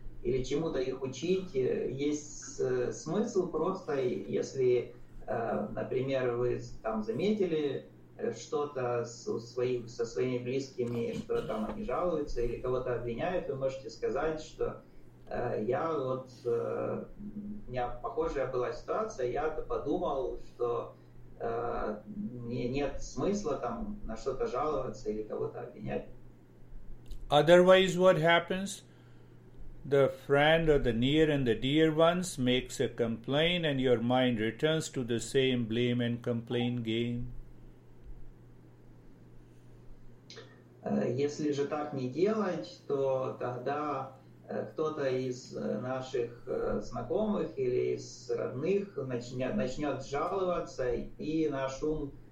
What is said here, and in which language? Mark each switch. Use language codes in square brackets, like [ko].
[ru] Или чему-то их учить, есть смысл просто, если, например, вы там заметили что-то со своими близкими, что там они жалуются или кого-то обвиняют, вы можете сказать, что у меня похожая была ситуация, я-то подумал, что нет смысла там на что-то жаловаться или кого-то обвинять. [en] Otherwise, what happens? The friend or the near and the dear ones makes a complaint and your mind returns to the same blame and complain game. [ru] Если же так не делать, то тогда кто-то из наших знакомых или из родных начнет жаловаться, и наш ум